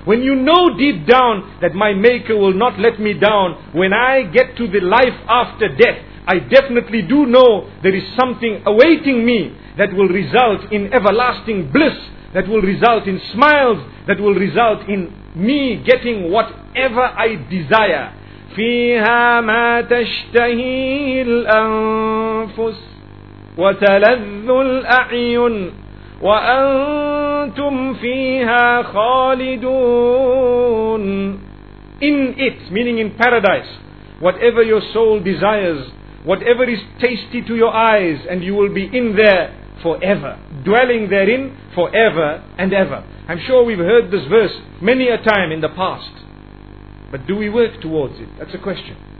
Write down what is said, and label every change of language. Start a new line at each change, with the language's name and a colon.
English: When you know deep down that my Maker will not let me down, when I get to the life after death, I definitely do know there is something awaiting me that will result in everlasting bliss, that will result in smiles, that will result in me getting whatever I desire.
Arabic: فيها ما تشتهي الأنفس وتلذ الأعين وأنتم فيها خالدون.
English: In it, meaning in paradise, whatever your soul desires, whatever is tasty to your eyes, and you will be in there forever, dwelling therein forever and ever. I'm sure we've heard this verse many a time in the past. But do we work towards it? That's a question.